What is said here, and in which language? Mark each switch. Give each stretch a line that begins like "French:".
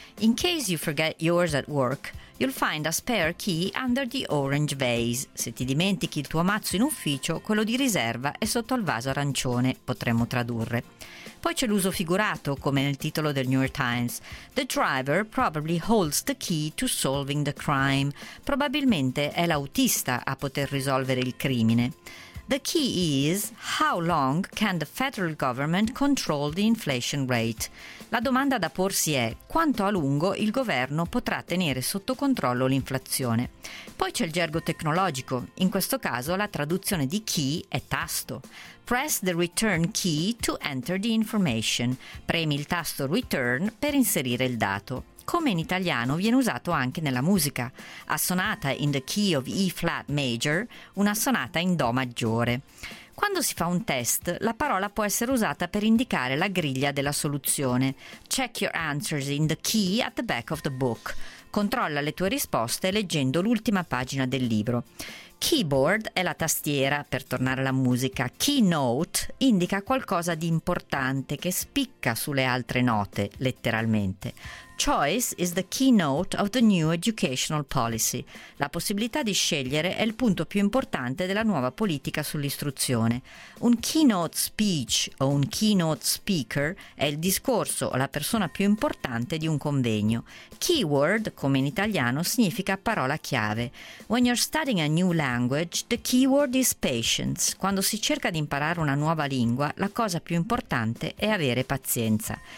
English: In case you forget yours at work, you'll find a spare key under the orange vase.
Italian: Se ti dimentichi il tuo mazzo in ufficio, quello di riserva è sotto il vaso arancione, potremmo tradurre. Poi c'è l'uso figurato, come nel titolo del New York Times.
English: The driver probably holds the key to solving the crime.
Italian: Probabilmente è l'autista a poter risolvere il crimine.
English: The key is, how long can the federal government control the inflation rate?
Italian: La domanda da porsi è, quanto a lungo il governo potrà tenere sotto controllo l'inflazione? Poi c'è il gergo tecnologico, in questo caso la traduzione di key è tasto.
English: Press the return key to enter the information.
Italian: Premi il tasto return per inserire il dato. Come in italiano viene usato anche nella musica.
English: A sonata in the key of E flat major,
Italian: una sonata in do maggiore. Quando si fa un test, la parola può essere usata per indicare la griglia della soluzione.
English: Check your answers in the key at the back of the book.
Italian: Controlla le tue risposte leggendo l'ultima pagina del libro. Keyboard è la tastiera, per tornare alla musica. Keynote indica qualcosa di importante che spicca sulle altre note, letteralmente.
English: Choice is the keynote of the new educational policy.
Italian: La possibilità di scegliere è il punto più importante della nuova politica sull'istruzione. Un keynote speech o un keynote speaker è il discorso o la persona più importante di un convegno. Keyword, come in italiano, significa parola chiave.
English: When you're studying a new language, the keyword is patience.
Italian: Quando si cerca di imparare una nuova lingua, la cosa più importante è avere pazienza.